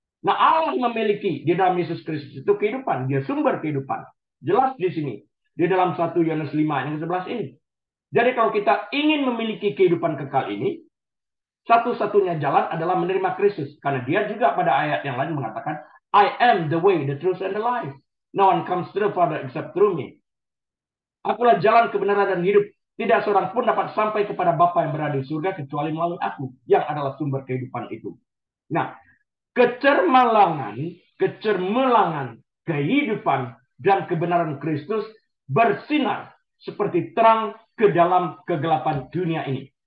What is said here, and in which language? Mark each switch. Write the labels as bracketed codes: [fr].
[id] Nah, Allah memiliki di dalam Yesus Kristus itu kehidupan, dia sumber kehidupan. Jelas di sini, di dalam 1 Yohanes 5 yang ke-11 ini. Jadi kalau kita ingin memiliki kehidupan kekal ini, satu-satunya jalan adalah menerima Kristus. Karena dia juga pada ayat yang lain mengatakan, [en] I am the way, the truth, and the life. No one comes to the Father except through me. [id] Akulah jalan kebenaran dan hidup. Tidak seorang pun dapat sampai kepada Bapa yang berada di surga kecuali melalui aku, yang adalah sumber kehidupan itu. Nah, kecermelangan kehidupan dan kebenaran Kristus bersinar seperti terang ke dalam kegelapan dunia ini.